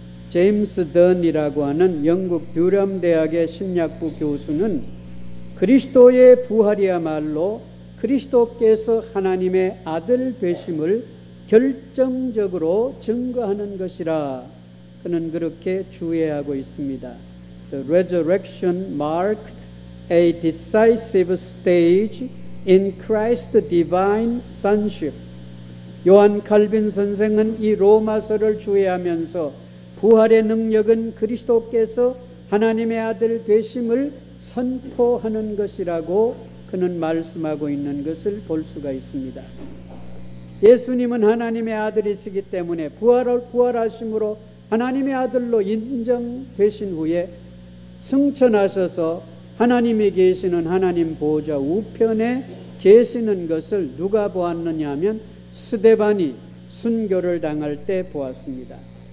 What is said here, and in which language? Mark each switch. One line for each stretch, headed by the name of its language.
Korean: 제임스 던이라고 하는 영국 듀럼 대학의 신약부 교수는 그리스도의 부활이야말로 그리스도께서 하나님의 아들 되심을 결정적으로 증거하는 것이라 그는 그렇게 주의하고 있습니다.
English: The resurrection marked a decisive stage in Christ's divine sonship.
Korean: 요한 칼빈 선생은 이 로마서를 주의하면서 부활의 능력은 그리스도께서 하나님의 아들 되심을 선포하는 것이라고 그는 말씀하고 있는 것을 볼 수가 있습니다. 예수님은 하나님의 아들이시기 때문에 부활하심으로 하나님의 아들로 인정되신 후에 승천하셔서 하나님이 계시는 하나님 보좌 우편에 계시는 것을 누가 보았느냐 하면 스데반이 순교를 당할 때 보았습니다.